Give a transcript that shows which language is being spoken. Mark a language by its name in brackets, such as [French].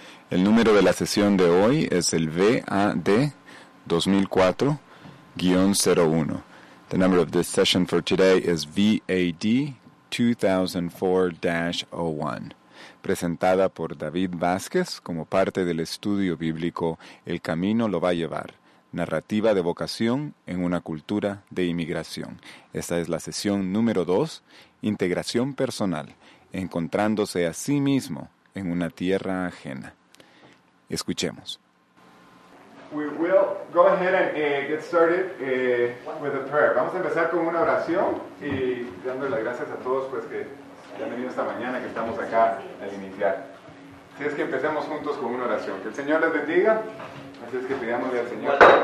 [Spanish] El número de la sesión de hoy es el VAD 2004-01. [English] The number of this session for today is VAD 2004-01. [Spanish] Presentada por David Vázquez como parte del estudio bíblico El Camino lo va a llevar. Narrativa de vocación en una cultura de inmigración. Esta es la sesión número 2, integración personal, encontrándose a sí mismo en una tierra ajena. Escuchemos. [English] We will go ahead and get started with a prayer. [Spanish] Vamos a empezar con una oración y dando las gracias a todos pues que han venido esta mañana, que estamos acá al iniciar. Así es que empecemos juntos con una oración. Que el Señor les bendiga. Así es que pidámosle al Señor.